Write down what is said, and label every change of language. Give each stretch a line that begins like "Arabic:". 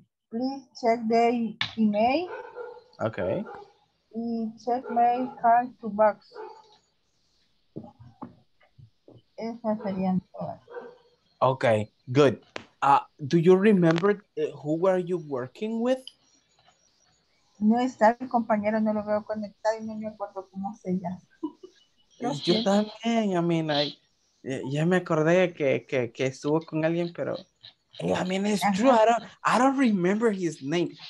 English: Please check the email. Okay. Y check my card to box.
Spanish: Esas serían todas.
English: Okay, good. Do you remember who are you working with?
Spanish: No está el compañero, no lo veo conectado y no me acuerdo cómo se llama. Yo también,
English: I mean,
Spanish: ya me acordé que estuvo con alguien, pero...
English: I mean, it's true, I don't remember his name.